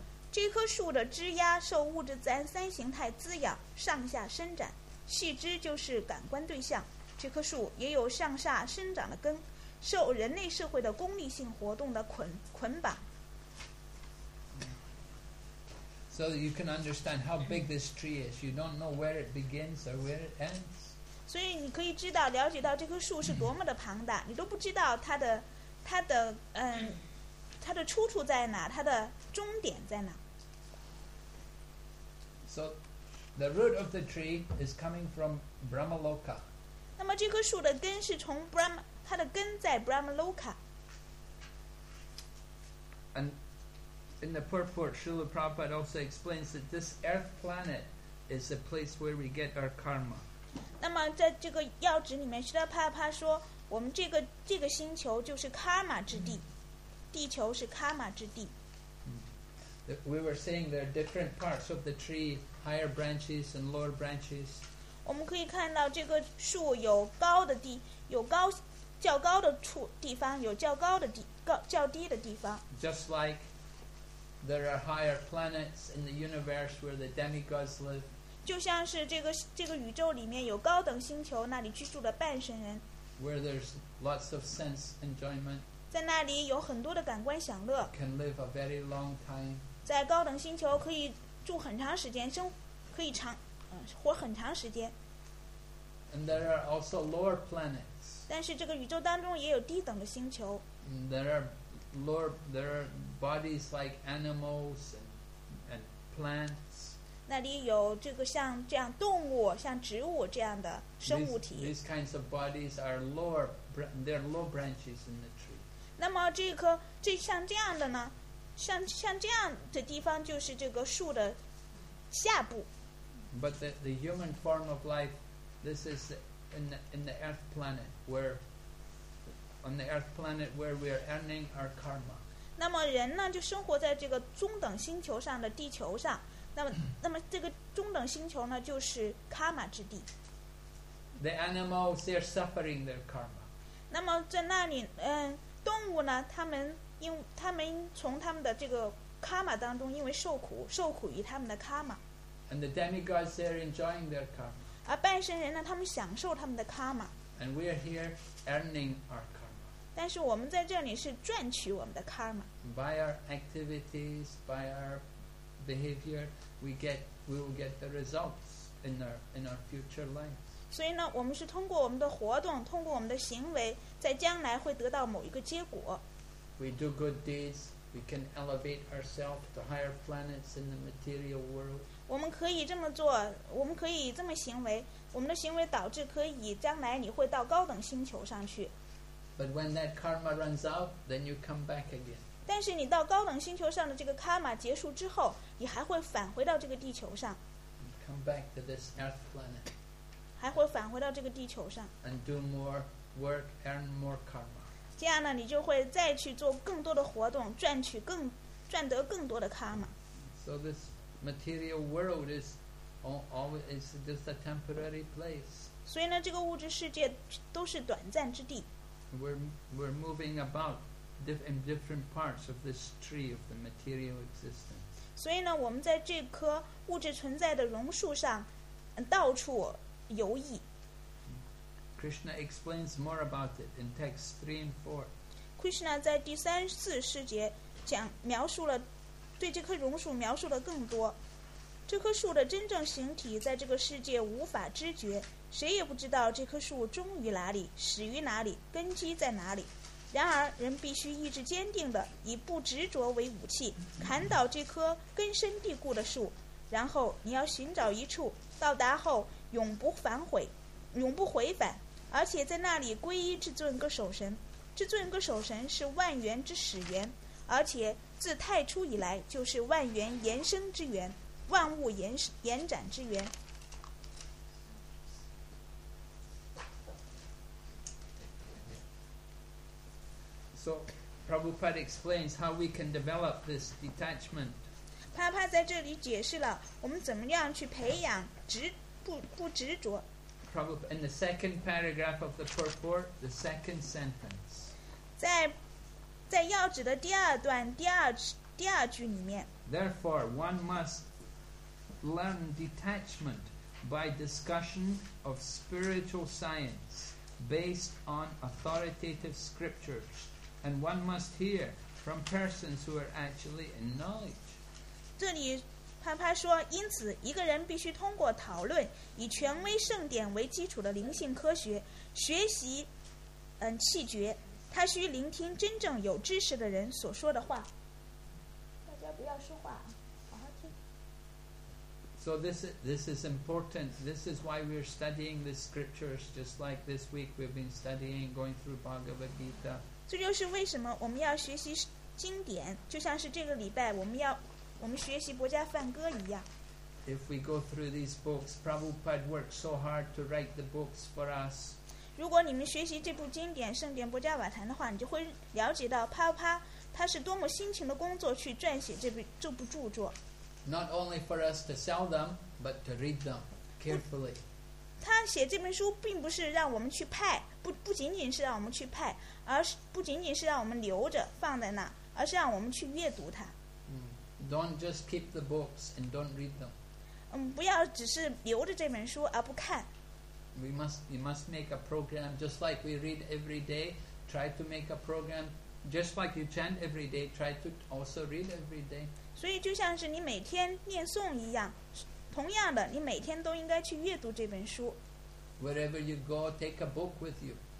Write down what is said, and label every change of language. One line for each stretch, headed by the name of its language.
Chinese: 这棵树的枝丫受物质自然三形态滋养，上下伸展。细枝就是感官对象，这棵树也有上下生长的根，受人类社会的功利性活动的捆绑。
English: So you can understand how big this tree is. You don't know where it begins or where it ends.
Chinese: 所以你可以知道，了解到这棵树是多么的庞大，你都不知道它的出处在哪，它的终点在哪。
English: So. The root of the tree is coming from Brahmaloka.
Chinese: 那么这棵树的根是从 Brahma， 它的根在 Brahmaloka.
English: And in the purport, Srila Prabhupada also explains that this earth planet is the place where we get our karma.
Chinese: 那么在这个要旨里面，Srila Prabhupada说，我们这个星球就是 karma 之地，地球是 karma 之地。
English: We were saying there are different parts of the tree, higher branches and lower branches.
Chinese: 我们可以看到这个树有高的地，有高较高的处地方，有较高的地高较低的地方。
English: Just like there are higher planets in the universe where the demigods live.
Chinese: 就像是这个宇宙里面有高等星球，那里居住的半神人。
English: Where there's lots of sense enjoyment.
Chinese: 在那里有很多的感官享乐。
English: Can live a very long time.
Chinese: 在高等星球可以住很长时间，生可以长，活很长时间。
English: And there are also lower planets.
Chinese: 但是这个宇宙当中也有低等的星球。
English: There are bodies like animals and plants.
Chinese: 那里有这个像这样动物、像植物这样的生物体。
English: These kinds of bodies are lower. They're low branches in the tree.
Chinese: 那么这像这样的呢？像这样的地方就是这个树的下部。
English: But the human form of life, this is in the earth planet where on the earth planet where we are earning our karma.
Chinese: 那么人呢，就生活在这个中等星球上的地球上。那么这个中等星球呢，就是卡玛之地。
English: The animals, they're suffering their karma.
Chinese: 那么在那里，动物呢，他们从他们的这个卡玛当中，因为受苦于他们的卡玛。
English: And the demigods, they're enjoying their karma.
Chinese: 而半神人呢，他们享受他们的卡玛。
English: And we are here earning our karma.
Chinese: 但是我们在这里是赚取我们的 karma。
English: By our activities, by our behavior, we will get the results in our future lives.
Chinese: 所以呢，我们是通过我们的活动，通过我们的行为，在将来会得到某一个结果。
English: We do good deeds, we can elevate ourselves to higher planets in the material world.
Chinese: 我们可以这么做，我们可以这么行为，我们的行为导致可以将来你会到高等星球上去。
English: But when that karma runs out, then you come back again.
Chinese: 但是你到高等星球上的这个卡玛结束之后，你还会返回到这个地球上。
English: Come back to this earth planet.
Chinese: 还会返回到这个地球上。
English: And do more work, earn more karma.
Chinese: 这样呢，你就会再去做更多的活动，赚得更多的卡玛。
English: So this material world is always just a temporary place.
Chinese: 所以呢，这个物质世界都是短暂之地。
English: We're moving about in different parts of this tree of the material existence.
Chinese: 所以呢，我们在这棵物质存在的榕树上，到处游弋。
English: Krishna explains more about it in texts 3 and 4.
Chinese: Krishna 在第三四世节讲描述了对这棵榕树描述的更多。这棵树的真正形体在这个世界无法知觉。谁也不知道这棵树终于哪里，始于哪里，根基在哪里。然而，人必须意志坚定地以不执着为武器，砍倒这棵根深蒂固的树。然后，你要寻找一处，到达后永不反悔，永不回返，而且在那里皈依至尊歌守神。至尊歌守神是万缘之始源，而且自太初以来就是万缘延伸之源，万物延展之源。
English: So, Prabhupada explains how we can develop this detachment.
Chinese: 帕帕在这里解释了我们怎么样去培养不执着。
English: In the second paragraph of the purport, the second sentence.
Chinese: 在要旨的第二段第二句里面。
English: Therefore, one must learn detachment by discussion of spiritual science based on authoritative scriptures. And one must hear from persons who are actually in knowledge.
Chinese: 这里帕帕说，因此一个人必须通过讨论，以权威圣典为基础的灵性科学学习，气诀。他需聆听真正有知识的人所说的话。大家不要说话，好好听。
English: So this is important. This is why we're studying the scriptures. Just like this week, we've been studying, going through Bhagavad Gita.
Chinese: 这就是为什么我们要学习经典，就像是这个礼拜我们学习《博迦梵歌》一样。
English: If we go through these books, Prabhupada worked so hard to write the books for us.
Chinese: 如果你们学习这部经典《圣典博迦瓦坛》的话，你就会了解到帕帕他是多么辛勤的工作去撰写这部著作。
English: Not only for us to sell them, but to read them carefully.
Chinese: 他写这本书并不是让我们去派。不仅仅是让我们去派，而是不仅仅是让我们留着放在那，而是让我们去阅读它。
English: Don't just keep the books and don't read them.
Chinese: 不要只是留着这本书而不看。
English: We must make a program just like we read every day. Try to make a program just like you chant every day. Try to also read every day.
Chinese: 所以就像是你每天念诵一样，同样的，你每天都应该去阅读这本书。
English: Wherever you go, take a book with you.